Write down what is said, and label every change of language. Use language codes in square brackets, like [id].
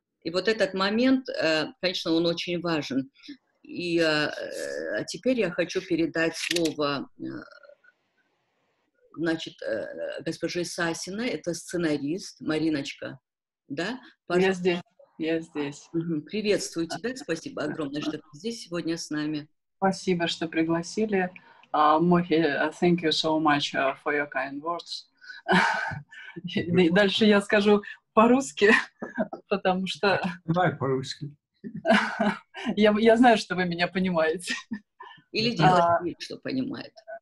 [ru] И вот этот момент, конечно, он очень важен. И теперь я хочу передать слово, значит, госпоже Сасиной, это сценарист, Мариночка, да? Пожалуйста. Я здесь. Приветствую тебя, спасибо огромное, что ты здесь сегодня с нами. Спасибо, что пригласили. [en] Мохи, thank you so much for your kind words. [ru] Дальше я скажу по-русски, потому что... Давай по-русски. Я знаю, что вы меня понимаете. Или делает вид, что понимает.